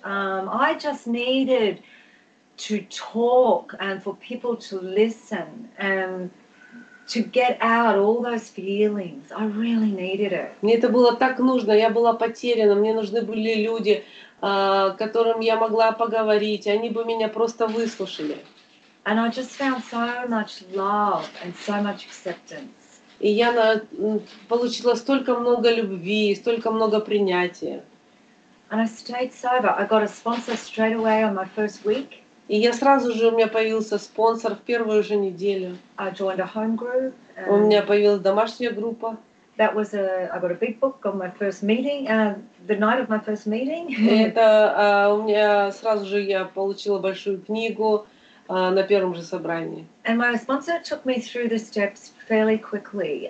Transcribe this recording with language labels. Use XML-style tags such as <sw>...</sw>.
<en>I just needed to talk and for people to listen and to get out all those feelings. I really needed it.</en> <ru>Мне это было так нужно. Я была потеряна. Мне нужны были люди, которым я могла поговорить. Они бы меня просто выслушали.</ru> <en>And I just found so much love and so much acceptance.</en> <ru>И я получила столько много любви, столько много принятия.</ru> <en>And I stayed sober. I got a sponsor straight away on my first week.</en> <ru>И я сразу же, у меня появился спонсор в первую же неделю.</ru> <en>I joined a home group.</en> <ru>У меня появилась домашняя группа.</ru> <en>That was I got a big book on my first meeting, the night of my first meeting.</en> <ru>Это у меня сразу же я получила большую книгу на первом же собрании.</ru> <en>And my sponsor took me through the steps fairly quickly.</en>